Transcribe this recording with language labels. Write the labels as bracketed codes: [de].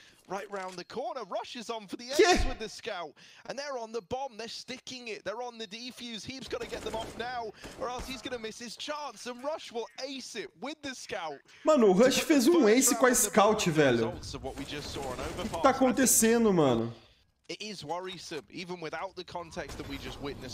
[en] Right round the corner, Rush is on for the edge with the scout. And they're on the bomb, they're sticking it. They're on the defuse. Heap's gonna get them off now, or else he's gonna miss his chance. And Rush will ace it with the scout. [pt] Mano, o Rush fez um ace com a scout, velho. O que tá acontecendo, mano? [en] It is worrisome, even without the context that we just witnessed.